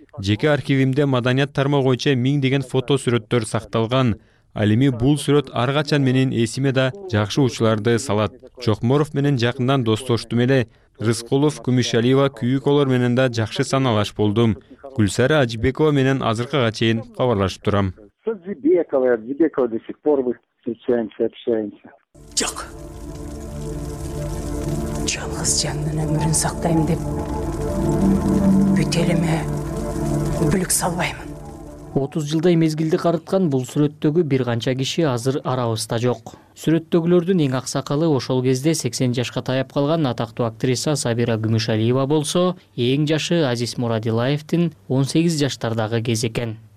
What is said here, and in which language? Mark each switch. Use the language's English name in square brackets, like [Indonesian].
[Kyrgyz] Жеке архивимде маданият тармагы боюнча 1000 деген фото сүрөттөр сакталган. Ал эми бул сүрөт ар качан менин эсиме да жакшы учуларды салат. Чокморов менен жакындан достоштум эле. Рыскулов, Күмүшалиева, Күйүколор менен да жакшы саналаш болдум. Гүлсара Ажибекова менен азыркыга чейин кабарлашып турам. [Russian] Ажибекова до сих пор мы встречаемся, общаемся. [Kyrgyz] Жок. Жалгыз жандын өмүрүн сактайм деп бүт элиме бүлүк салбаймын. 30 жылдай мезгилди карыткан бул сүрөттөгү бир канча киши азыр арабызда жок. Сүрөттөгүлөрдүн эң аксакалы ошол кезде 80 жашка таяп калган атактуу актриса Сабира Гүмүшалиева болсо, эң жашы Азиз Мурадилаевдин 18 жаштардагы кези экен.